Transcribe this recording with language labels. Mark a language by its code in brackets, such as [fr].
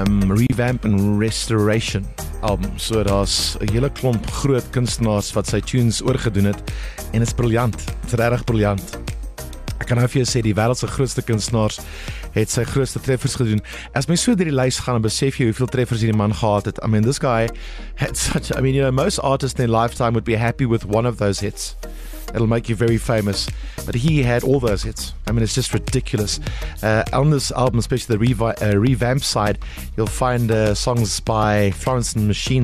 [en] Revamp and Restoration album. [af] So daar's 'n hele klomp groot kunstenaars wat sy tunes oorgedoen het en is briljant. Dit is regtig briljant. Ek kan nou vir jou sê die wêreld se grootste kunstenaars het sy grootste treffers gedoen. As mens so deur die lys gaan, dan besef jy hoeveel treffers hierdie man gehad het. [en] I mean, this guy had such a, I mean, you know, most artists in their lifetime would be happy with one of those hits. It'll make you very famous. But he had all those hits. I mean, it's just ridiculous. On this album, especially the revamp side, you'll find songs by Florence and the Machine.